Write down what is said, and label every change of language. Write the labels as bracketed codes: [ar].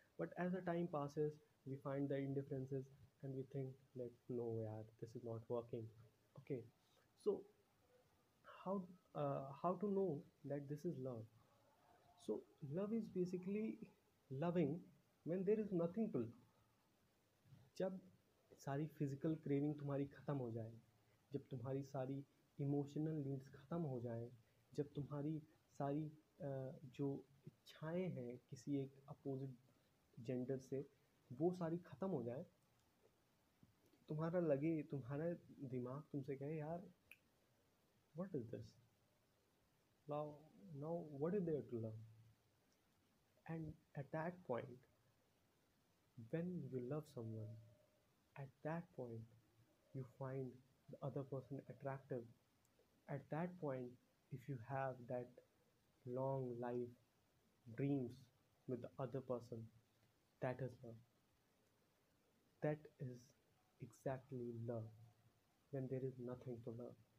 [en] But as the time passes, we find the indifferences, and we think like, no, yaar, this is not working. Okay, so how to know that this is love? So love is basically loving when there is nothing to love. [hi] जब सारी physical craving तुम्हारी ख़त्म हो जाए, जब तुम्हारी सारी emotional needs ख़त्म हो जाए, जब तुम्हारी सारी जो इच्छाएं हैं किसी एक अपोजिट जेंडर से वो सारी ख़त्म हो जाए, तुम्हारा लगे, तुम्हारा दिमाग तुमसे कहे, यार [en] What is this love, now what is there to love, and attack point when you love someone, at that point you find the other person attractive. At that point, if you have that long life dreams with the other person, that is love. That is exactly love, when there is nothing to love.